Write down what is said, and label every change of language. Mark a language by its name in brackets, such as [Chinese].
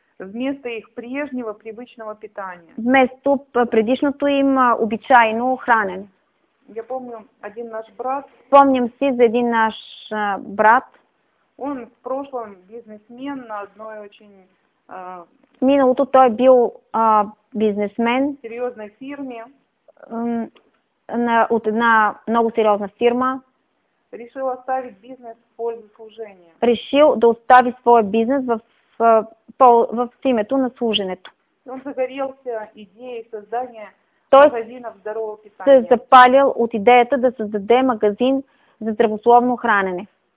[Russian] Вместо их прежнего привычного питания. [Bulgarian] Вместо предишното им обичайно хранене. [Russian] Я помню один наш брат. [Bulgarian] Помним си за един наш брат. [Russian] Он в прошлом бизнесмен на одной очень... [Bulgarian] Миналото той е бил бизнесмен. Сериозна фирма. От една много сериозна фирма. [Russian] Решил оставить бизнес в пользу служения. [Bulgarian] Решил да остави своя бизнес в името на служенето. [Russian] Он загорелся идеей создания магазинов здорового питания. [Bulgarian] Той се запалил от идеята да създаде магазин за здравословно хранене.